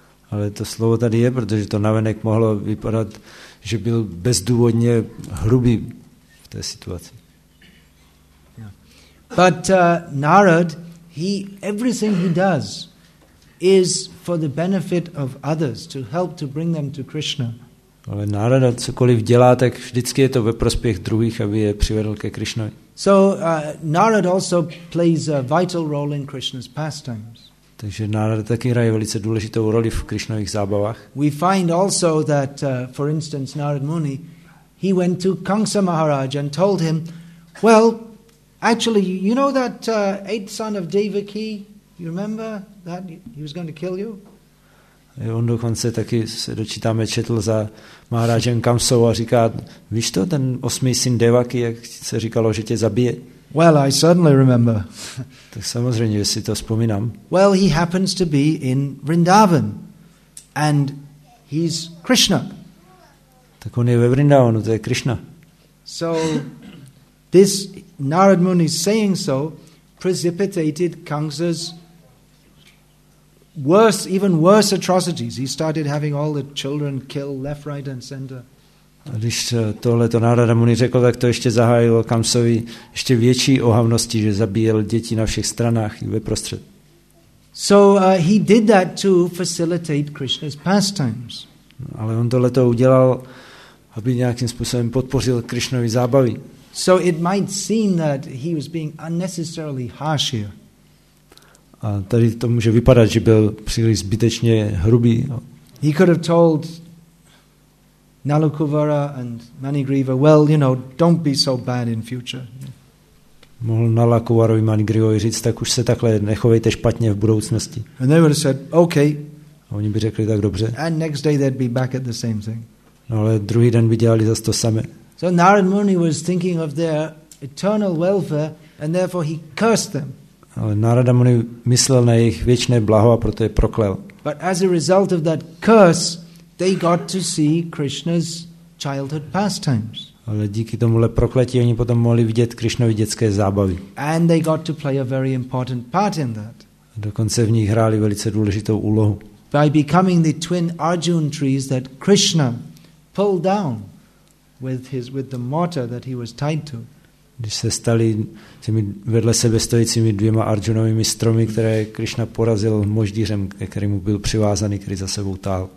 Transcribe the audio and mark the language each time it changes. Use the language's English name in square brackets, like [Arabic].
[Czech] Ale to slovo tady je, protože to navenek mohlo vypadat, že byl bezdůvodně hrubý v té situaci. [English] But Narad, he everything he does is for the benefit of others, to help to bring them to Krishna. [Czech] Ale Narada cokoliv dělá, tak vždycky je to ve prospěch druhých, aby je přivedl ke Krishnovi. [English] So Narad also plays a vital role in Krishna's pastimes. [Czech] Takže Narada taky hraje velice důležitou roli v Krishnových zábavách. [English] We find also that for instance Narad Muni, he went to Kamsa Maharaj and told him, well, actually, you know that eighth son of Devaki? You remember that he was going to kill you? [Czech] On dokonce taky se dočítáme četl za Maharajem Kamsou a říká, víš to, ten osmý syn Devaki, jak se říkalo, že tě zabije? [English] Well, I certainly remember. [Czech] Tak samozřejmě, že si to vzpomínám. [English] Well, he happens to be in Vrindavan and he's Krishna. [Czech] Tak on je ve Vrindavanu, to je Krishna. [English] So this Narad Muni saying so precipitated Kamsa's worse, even worse atrocities. He started having all the children killed left, right and center. [Czech] A když tohle to Narada Muni řekl, tak to ještě zahájilo Kamsovi ještě větší ohavnosti, že zabíjel děti na všech stranách i veprostřed. [English] So he did that to facilitate Krishna's pastimes. [Czech] Ale on tohle to udělal, aby nějakým způsobem podpořil Krishnovy zábavy. [English] So it might seem that he was being unnecessarily harsh here. [Czech] A tady to může vypadat, že byl příliš zbytečně hrubý. [English] He could have told Nalukuvara and Manigriva, well, you know, don't be so bad in future. [Czech] Mohl Nalukuvarovi Manigrivovi říct, tak už se takhle nechovejte špatně v budoucnosti. [English] And they would have said, okay. [Czech] A oni by řekli, tak dobře. [English] And next day they'd be back at the same thing. [Czech] No, ale druhý den by dělali zase to samé. [English] So Narad Muni was thinking of their eternal welfare and therefore he cursed them. [Czech] Ale Narada Muni myslel na jejich věčné blaho a proto je proklel. [English] But as a result of that curse, they got to see Krishna's childhood pastimes. [Czech] Ale díky tomuhle prokletí oni potom mohli vidět Krishnovy dětské zábavy. [English] And they got to play a very important part in that. [Czech] A dokonce v nich hráli velice důležitou úlohu. [English] By becoming the twin Arjuna trees that Krishna pulled down with the mortar that he was tied to. [Czech] Když se stali těmi vedle sebe stojícími dvěma Arjunovými stromy, které Krishna porazil moždířem, který mu byl přivázaný, který za sebou táhl.